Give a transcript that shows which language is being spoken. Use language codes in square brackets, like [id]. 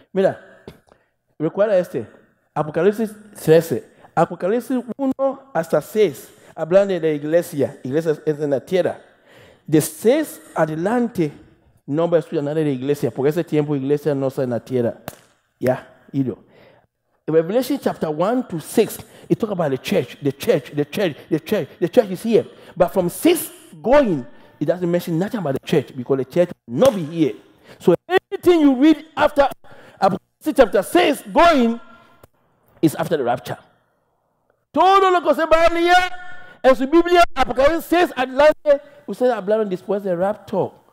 [es] Mira, recuerda este, Apocalipsis 13, Apocalipsis 1 hasta 6, hablando de la iglesia, iglesia es en la tierra. De 6 adelante, no va a estudiar nada de la iglesia, porque ese tiempo la iglesia no está en la tierra. Ya, ido. [en] Revelation chapter 1 to 6, it talks about the church is here. But from 6 going, it doesn't mention nothing about the church, because the church will not be here. So anything you read after chapter 6 going is after the rapture. [es] Todo lo que se va a leer en su Biblia, Apocalipsis 6 adelante, usted habla después del rapture.